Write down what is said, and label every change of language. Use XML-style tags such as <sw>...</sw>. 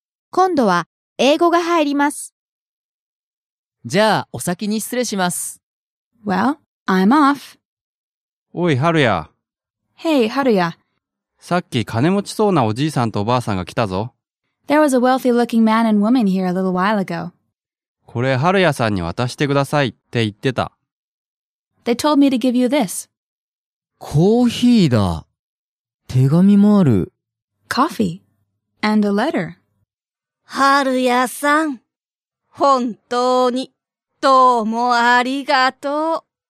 <ja>今度は英語が入ります。じゃあお先に失礼します。</ja> <en>Well, I'm off.</en> <ja>おい、春や。</ja> <en>Hey, 春や。</en> <ja>さっき金持ちそうなおじいさんとおばあさんが来たぞ。</ja> <en>There was a wealthy looking man and woman here a little while ago.</en> <ja>これ、春屋さんに渡してくださいって言ってた。</ja> <en>They told me to give you this.</en> <ja>コーヒーだ。手紙もある。</ja> <en>Coffee and a letter.</en> <ja>春屋さん、本当にどうもありがとう。</ja>